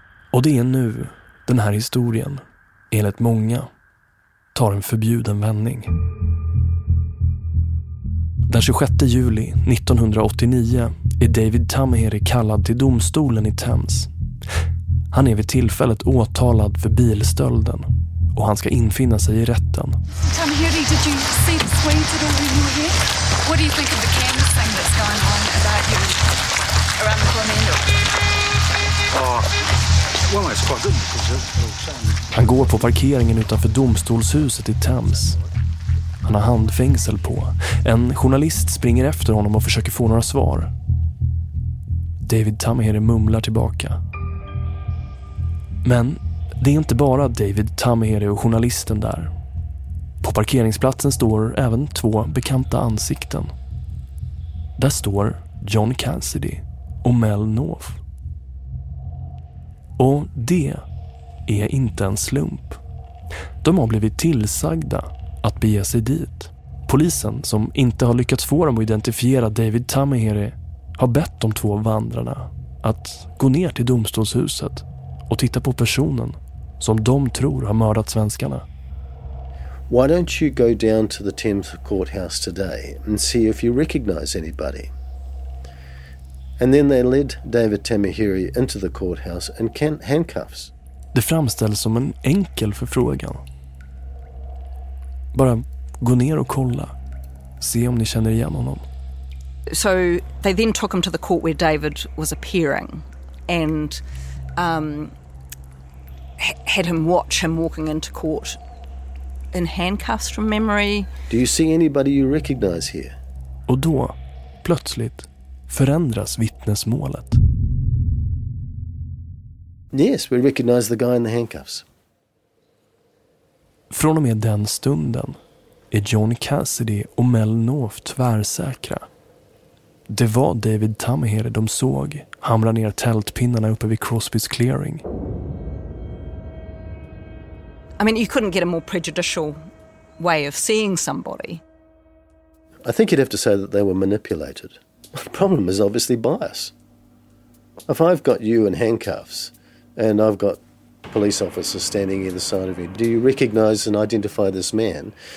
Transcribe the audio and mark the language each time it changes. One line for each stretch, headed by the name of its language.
Swedish: Och det är nu den här historien, enligt många, tar en förbjuden vändning. Den 26 juli 1989 är David Tamiheri kallad till domstolen i Thames. Han är vid tillfället åtalad för bilstölden och han ska infinna sig i rätten.
English: Tamiheri, did you see the swings at all when you were here? What do you think of the Candace thing that's going on about you around the Flamingo?
Swedish: Han går på parkeringen utanför domstolshuset i Thames. Han har handfängsel på. En journalist springer efter honom och försöker få några svar. David Tamiheri mumlar tillbaka. Men det är inte bara David Tamiheri och journalisten där. På parkeringsplatsen står även två bekanta ansikten. Där står John Cassidy och Mel North. Och det är inte en slump. De har blivit tillsagda att bege sig dit. Polisen, som inte har lyckats få dem att identifiera David Tamiheri, har bett de två vandrarna att gå ner till domstolshuset och titta på personen som de tror har mördat svenskarna.
English: Why don't you go down to the Thames courthouse today and see if you recognize anybody? And then they led David Tamiheri into the courthouse and handcuffs.
Swedish: Det framställs som en enkel förfrågan. Bara gå ner och kolla. Se om ni känner igen honom.
English: So they then took him to the court where David was appearing and had him watch him walking into court in handcuffs from memory. Do you see anybody you recognize here?
Swedish: Och då plötsligt förändras vittnesmålet.
English: Yes, we recognize the guy in the handcuffs.
Swedish: Från och med den stunden är John Cassidy och Mel North tvärsäkra. Det var David Tamiheri de såg hamra ner tältpinnarna uppe vid Crosby's clearing.
English: I mean, you couldn't get a more prejudicial way of seeing somebody. I think you'd have to say that they were manipulated. The problem is obviously bias. If I've got you in handcuffs and I've got police officers standing either side of you, do you recognize and identify this man?